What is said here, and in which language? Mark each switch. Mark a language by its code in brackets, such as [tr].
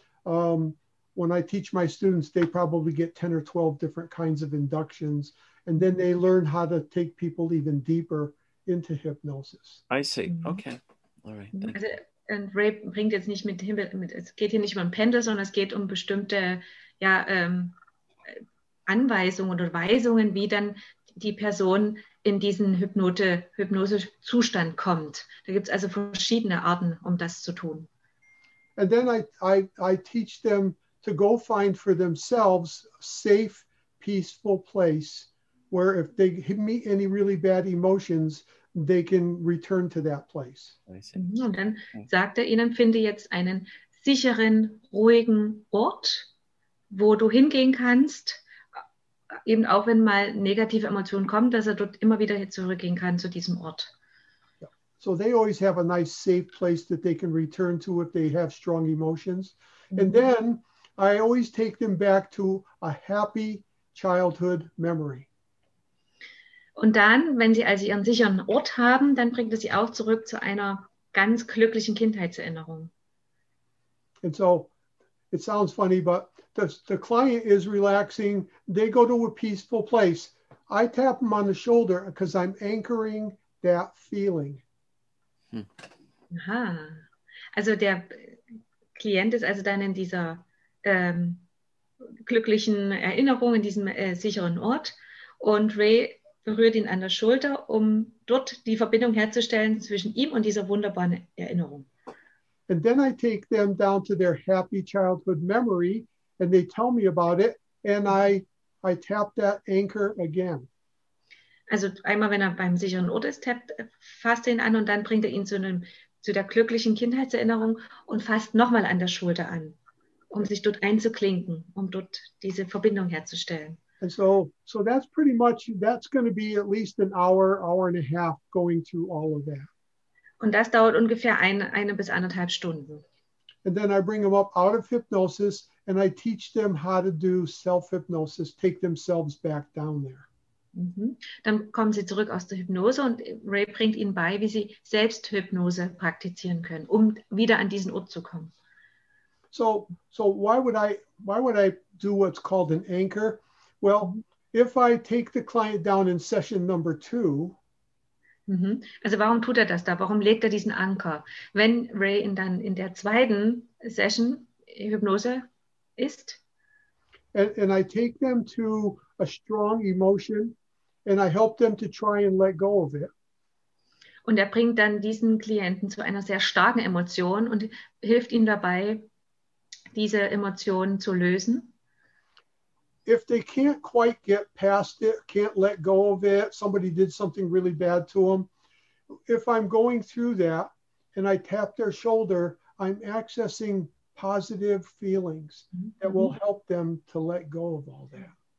[en] When I teach my students, they probably get 10 or 12 different kinds of inductions. And then they learn how to take people even deeper into hypnosis. I see. Mm-hmm. Okay. All right. Thank you. [de] Und Ray bringt jetzt nicht mit, es geht hier nicht um Pendel, sondern es geht um bestimmte, ja, Anweisungen oder Weisungen, wie dann die Person in diesen Hypnose-Zustand kommt. Da gibt es also verschiedene Arten, um das zu tun. [en] And then I teach them to go find for themselves a safe, peaceful place where if they meet any really bad emotions, they can return to that place. [de] Und dann sagt er ihnen, finde jetzt einen sicheren, ruhigen Ort, wo du hingehen kannst, eben auch wenn mal negative Emotionen kommen, dass er dort immer wieder zurückgehen kann zu diesem Ort. [en] Yeah. So they always have a nice safe place that they can return to if they have strong emotions. Mm-hmm. And then I always take them back to a happy childhood memory. [de] Und dann, wenn sie also ihren sicheren Ort haben, dann bringt es sie auch zurück zu einer ganz glücklichen Kindheitserinnerung. [en] And so it sounds funny, but the client is relaxing. They go to a peaceful place. I tap them on the shoulder because I'm anchoring that feeling. Aha. [de] Also der Klient ist also dann in dieser glücklichen Erinnerung, in diesem sicheren Ort. Und Ray berührt ihn an der Schulter, um dort die Verbindung herzustellen zwischen ihm und dieser wunderbaren Erinnerung. [en] And then I take them down to their happy childhood memory and they tell me about it and I tap that anchor again. [de] Also einmal, wenn er beim sicheren Ort ist, fasst er ihn an und dann bringt er ihn zu der glücklichen Kindheitserinnerung und fasst nochmal an der Schulter an, um sich dort einzuklinken, um dort diese Verbindung herzustellen. [en] And so that's pretty much, that's going to be at least an hour, hour and a half going through all of that. [de] Und das dauert ungefähr eine bis anderthalb Stunden. [en] And then I bring them up out of hypnosis and I teach them how to do self-hypnosis, take themselves back down there. Mm-hmm. [de] Dann kommen sie zurück aus der Hypnose und Ray bringt ihnen bei, wie sie Selbsthypnose praktizieren können, um wieder an diesen Ort zu kommen. [en] So why would I do what's called an anchor? Well, if I take the client down in session number 2. [de] Mm-hmm. Also warum tut er das da? Warum legt er diesen Anker? Wenn Ray dann in der zweiten Session Hypnose ist. [en] And I take them to a strong emotion and I help them to try and let go of it. [de] Und bringt dann diesen Klienten zu einer sehr starken Emotion und hilft ihnen dabei, diese Emotionen zu lösen. [en] If they can't quite get past it, can't let go of it, somebody did something really bad to them, if I'm going through that and I tap their shoulder, I'm accessing positive feelings that will help them to let go of all that.